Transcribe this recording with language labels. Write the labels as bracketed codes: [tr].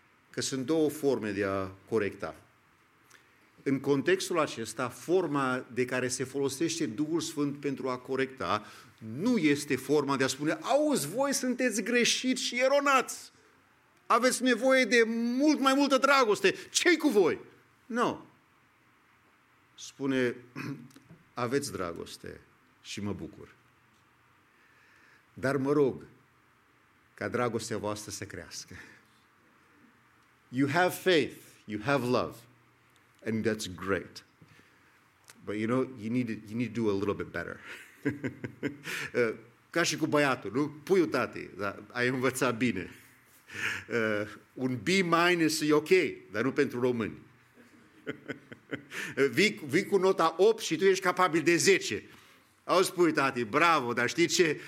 [ro] Că sunt două forme de a corecta. În contextul acesta, forma de care se folosește Duhul Sfânt pentru a corecta nu este forma de a spune: auzi, voi sunteți greșiți și eronați, aveți nevoie de mult mai multă dragoste, ce-i cu voi? Nu. Spune: aveți dragoste și mă bucur, dar mă rog ca dragostea voastră să crească. [en] You have faith, you have love, and that's great. But you know, you need to do a little bit better. [ro] Ca și cu băiatul, nu? Puiu, tate, da, ai învățat bine. Un B minus e ok, dar nu pentru români. Vii cu nota 8 și tu ești capabil de 10. Auzi, puiu, tate, bravo, dar știi ce?